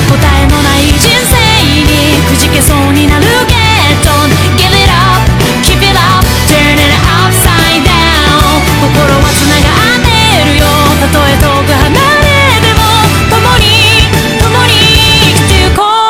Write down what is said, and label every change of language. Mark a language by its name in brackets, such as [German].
[Japanese] 答えのない人生にくじけそうになる。 [English] Get on, give it up, keep it up, turn it upside down。 [Japanese] 心は繋がってるよ、たとえ遠く離れても、共に共に生きていこう。